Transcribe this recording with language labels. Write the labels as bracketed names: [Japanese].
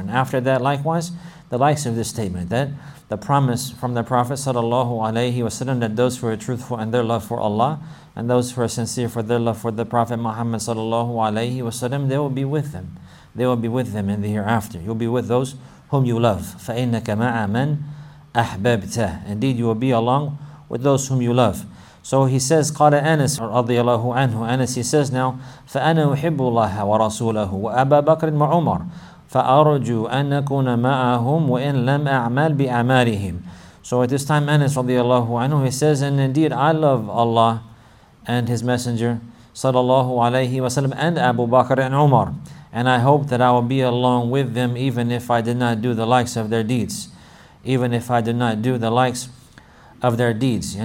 [English] And after that, likewise, the likes of this statement, that the promise from the Prophet sallallahu alayhi wasallam, that those who are truthful and their love for Allah and those who are sincere for their love for the Prophet Muhammad sallallahu alayhi wasallam, they will be with them. They will be with them in the hereafter. You'll be with those whom you love. [Arabic] فَإِنَّكَ مَعَ مَنْ أَحْبَبْتَ. [English] Indeed, you will be along with those whom you love. So he says, [Arabic] قَالَ أَنَسْ رَضِيَ اللَّهُ عَنْهُ. [English] Anas, he says now, [Arabic] فَأَنَا أُحِبُّ اللَّهَ وَرَسُولَهُ وَأَبَا بَكْرٍ وَعُمَرٍ فَأَرُجُوا أَنْ أَكُونَ مَعَهُمْ وَإِنْ لَمْ أَعْمَلْ بِأَمَالِهِمْ. [English] So at this time, Anas radiallahu anhu, he says, and indeed, I love Allah and His Messenger sallallahu alayhi wa sallam and Abu Bakr and Umar, and I hope that I will be along with them even if I did not do the likes of their deeds. Even if I did not do the likes of their deeds.